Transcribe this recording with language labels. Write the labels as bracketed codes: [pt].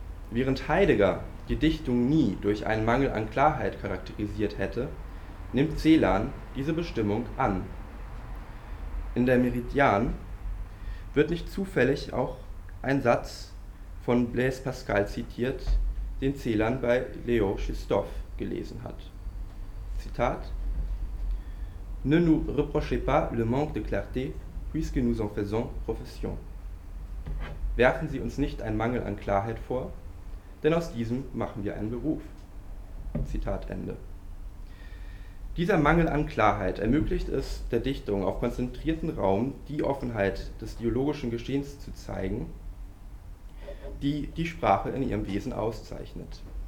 [de] Während Heidegger die Dichtung nie durch einen Mangel an Klarheit charakterisiert hätte, nimmt Celan diese Bestimmung an. In der Meridian wird nicht zufällig auch ein Satz von Blaise Pascal zitiert, den Celan bei Leo Schistoff gelesen hat. Zitat: [fr] Ne nous reprochez pas le manque de clarté, puisque nous en faisons profession. [de] Werfen Sie uns nicht einen Mangel an Klarheit vor, denn aus diesem machen wir einen Beruf. Zitat Ende. Dieser Mangel an Klarheit ermöglicht es der Dichtung, auf konzentrierten Raum die Offenheit des dialogischen Geschehens zu zeigen, die die Sprache in ihrem Wesen auszeichnet.